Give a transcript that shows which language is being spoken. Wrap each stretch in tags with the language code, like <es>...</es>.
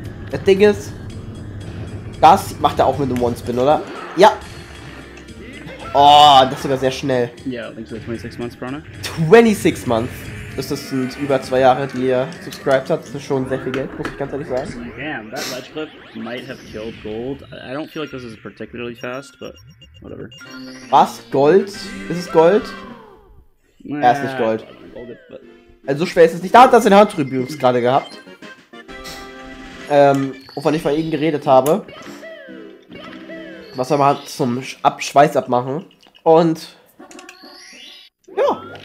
<de>Das Ding ist. Das macht er auch mit dem One-Spin, oder? Ja. Oh, das ist sogar sehr schnell. Ja, links ist 26 Months, Bruno. 26 Months. Das sind über 2 Jahre, die er subscribed hat. Das ist schon sehr viel Geld, muss ich ganz ehrlich sagen.</de> <en>Damn, that ledge clip might have killed gold. I don't feel like this is particularly fast, but whatever.</en> <de>Was? Gold? Ist es Gold? Nah, er ist nicht Gold. Also so schwer ist es nicht. Da hat er seine Handtribüms gerade gehabt. Wovon ich vor ihm geredet habe. Was soll man zum Schweiß abmachen? Und. Ja.</de>